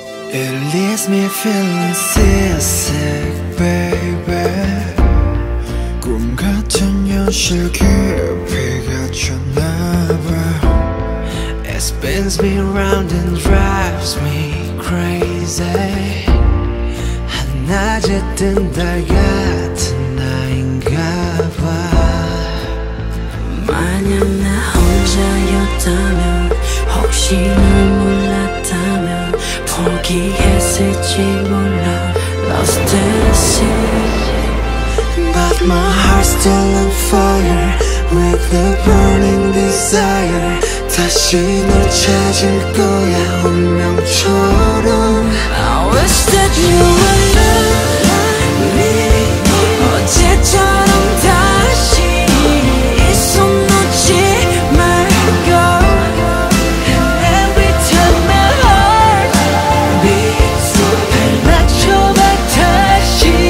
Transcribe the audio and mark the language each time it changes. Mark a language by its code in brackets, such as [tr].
[en] It leaves me feeling seasick, baby. [ko] 꿈 같은 현실 깊이 갇혔나봐. [en] It spins me round and drives me crazy. [ko] 낮에 뜬 달 같은 나인가봐. 만약 나 혼자였다면, 혹시 널 몰랐다면, 포기했을지 몰라. [en] Lost at sea, but my heart's still on fire with the burning desire. [ko] 다시 널 찾을 거야 운명처럼. [en] I wish that you were love. [ko] 어제처럼 다시 이 손 놓지 말고. [en] Every time my heart beats so fast, [ko] 맞춰봐 다시.